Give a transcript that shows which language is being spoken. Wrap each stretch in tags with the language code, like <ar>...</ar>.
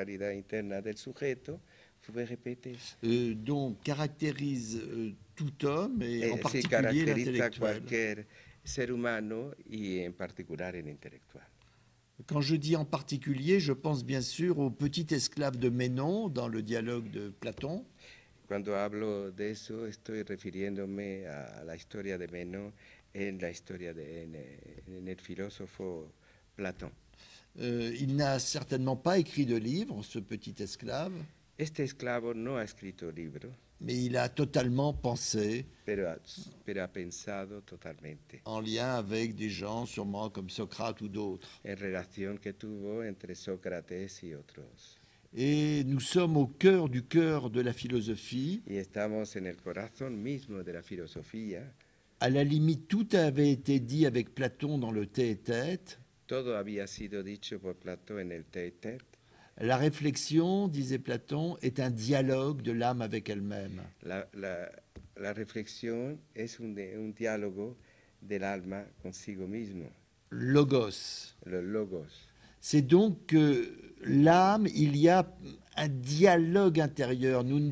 <es>interna del sujeto,</es> <fr>vous pouvez répéter. Donc caractérise tout homme et en particulier si l'intellectuel.</fr> <es>Cualquier ser humano y en particular el intelectual.</es> <fr>Quand je dis en particulier, je pense bien sûr au petit esclave de Ménon dans le dialogue de Platon.</fr> <es>Cuando hablo de eso, estoy refiriéndome a la historia de Ménon. En la historia de el filósofo Platón.</es> <fr>Il n'a certainement pas écrit de livre, ce petit esclave.</fr> <es>Este esclavo no ha escrito libro.</es> <fr>Mais il a totalement pensé.</fr> <es>Pero ha pensado totalmente.</es> <fr>En lien avec des gens, sûrement comme Socrate ou d'autres.</fr> <es>En relación que tuvo entre Sócrates y otros.</es> <fr>Et nous sommes au cœur du cœur de la philosophie.</fr> <es>Y estamos en el corazón mismo de la filosofía.</es> <fr>À la limite, tout avait été dit avec Platon dans le Tête-à-Tête.</fr> <es>Todo había sido dicho por Platón en el Tête-à-Tête.</es> <fr>La réflexion, disait Platon, est un dialogue de l'âme avec elle-même. La réflexion</fr> <es>es un diálogo del alma consigo mismo.</es> <fr>Logos. Le logos. C'est donc que l'âme, il y a un dialogue intérieur.</fr>